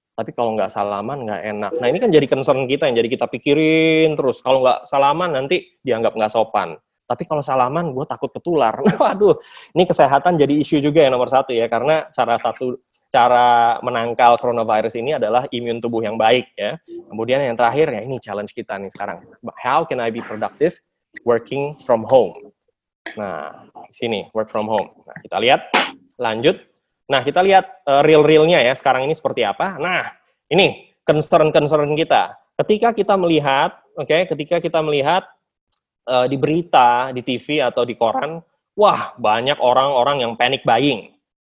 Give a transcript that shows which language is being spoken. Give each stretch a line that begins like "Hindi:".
Indonesian: Tapi kalau nggak salaman, nggak enak. Nah, ini kan jadi concern kita, yang jadi kita pikirin terus. Kalau nggak salaman, nanti dianggap nggak sopan. Tapi kalau salaman, gue takut ketular. Waduh, ini kesehatan jadi isu juga yang nomor satu ya. Karena salah satu cara menangkal coronavirus ini adalah imun tubuh yang baik ya. Kemudian yang terakhir, ya ini challenge kita nih sekarang.
English: How can I be productive working from home?
Indonesian: Nah, sini,
English: work from home.
Indonesian: Nah, kita lihat, lanjut. Nah, kita lihat real-realnya ya, sekarang ini seperti apa. Nah, ini concern-concern kita. Ketika kita melihat, ketika kita melihat di berita, di TV, atau di koran, wah, banyak orang-orang yang panic buying.